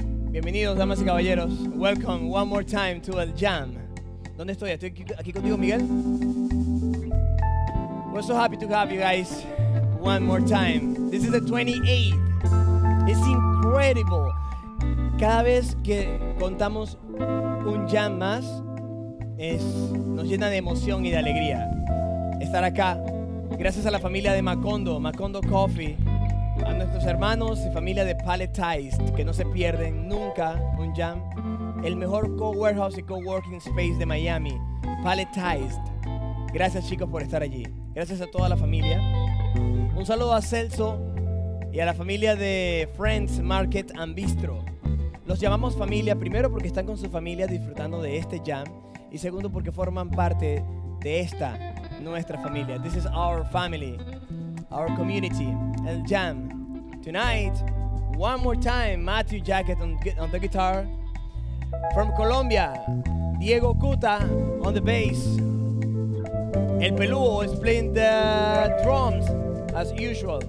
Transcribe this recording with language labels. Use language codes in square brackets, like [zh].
[es] Bienvenidos, damas y caballeros. [en] Welcome one more time [es] to El Jam. ¿Dónde estoy? ¿Estoy aquí contigo, Miguel? [en] We're so happy to have you guys one more time. This is the 28th. It's incredible. [es] Cada vez que contamos un jam más, nos llena de emoción y de alegría estar acá. Gracias a la familia de Macondo, Macondo Coffee, a nuestros hermanos y familia de Palletized, que no se pierden nunca un jam. El mejor co-warehouse y co-working space de Miami, Palletized. Gracias, chicos, por estar allí. Gracias a toda la familia. Un saludo a Celso y a la familia de Friends Market and Bistro. Los llamamos familia primero porque están con su familia disfrutando de este jam, y segundo porque forman parte de esta, nuestra familia. [en] This is our family, our community, El Jam. Tonight, one more time, Matthew Jacket on the guitar. From Colombia, Diego Cuta on the bass. El Peluo is playing the drums, as usual.